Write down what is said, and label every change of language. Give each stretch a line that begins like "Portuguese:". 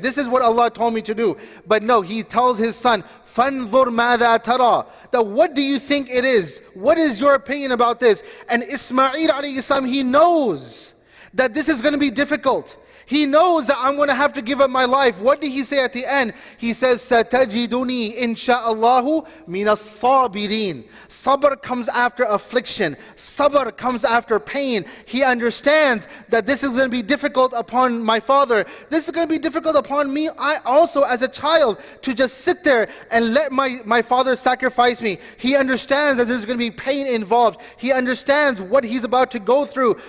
English: This is what Allah told me to do. But no, he tells his son,
Arabic: فَانْظُرْ مَاذَا تَرَى,
English: that what do you think it is? What is your opinion about this? And Ismail alayhi salam, he knows that this is going to be difficult. He knows that I'm going to have to give up my life. What did he say at the end? He says,
Arabic: سَتَجِدُنِي إِنْشَاءَ اللَّهُ مِنَ الصَّابِرِينَ.
English: Sabr comes after affliction. Sabr comes after pain. He understands that this is going to be difficult upon my father. This is going to be difficult upon me. I also, as a child, to just sit there and let my father sacrifice me. He understands that there's going to be pain involved. He understands what he's about to go through.